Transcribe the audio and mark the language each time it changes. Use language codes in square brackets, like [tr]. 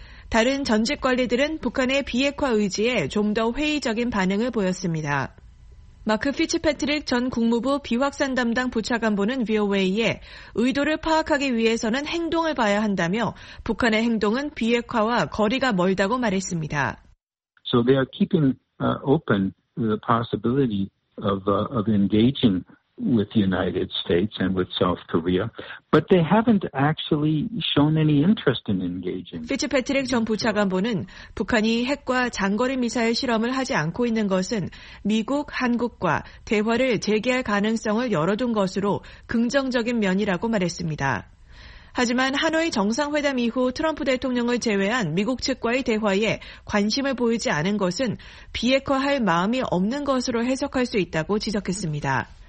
[ko] 다른 전직 관리들은 북한의 비핵화 의지에 좀 더 회의적인 반응을 보였습니다. 마크 피츠패트릭 전 국무부 비확산 담당 부차관보는 VOA에 의도를 파악하기 위해서는 행동을 봐야 한다며 북한의 행동은 비핵화와 거리가 멀다고 말했습니다. [en] So they are keeping open the possibility of engaging with the United States and with South Korea, but they haven't actually shown any interest in engaging. [ko] 피츠패트릭 전 부차관보는 북한이 핵과 장거리 미사일 실험을 하지 않고 있는 것은 미국, 한국과 대화를 재개할 가능성을 열어둔 것으로 긍정적인 면이라고 말했습니다. 하지만 하노이 정상회담 이후 트럼프 대통령을 제외한 미국 측과의 대화에 관심을 보이지 않은 것은 비핵화할 마음이 없는 것으로 해석할 수 있다고 지적했습니다.